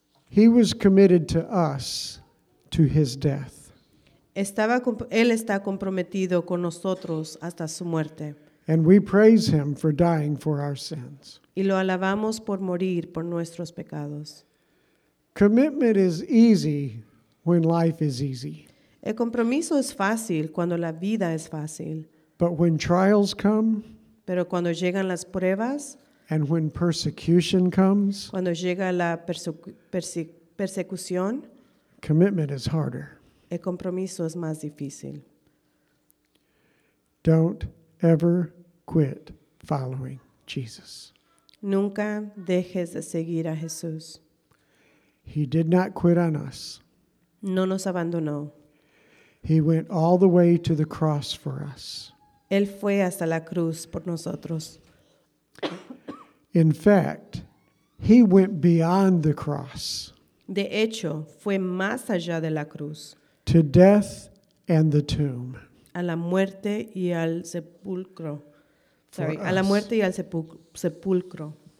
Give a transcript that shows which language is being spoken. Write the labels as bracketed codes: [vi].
[en] He was committed to us to his death. [es] Él está comprometido con nosotros hasta su muerte. [en] And we praise him for dying for our sins. [es] Y lo alabamos por morir por nuestros pecados. [en] Commitment is easy when life is easy. [es] El compromiso es fácil cuando la vida es fácil. [en] But when trials come, [es] pero cuando llegan las pruebas, [en] and when persecution comes, [es] cuando llega la persecución, [en] commitment is harder. [es] El compromiso es más difícil. [en] Don't ever quit following Jesus. [es] Nunca dejes de seguir a Jesús. [en] He did not quit on us. [es] No nos abandonó. [en] He went all the way to the cross for us. [es] Él fue hasta la cruz por nosotros. [en] In fact, he went beyond the cross. [es] De hecho, fue más allá de la cruz. [en] To death and the tomb. [es] A la muerte y al sepulcro. Sorry, a la muerte y al sepulcro.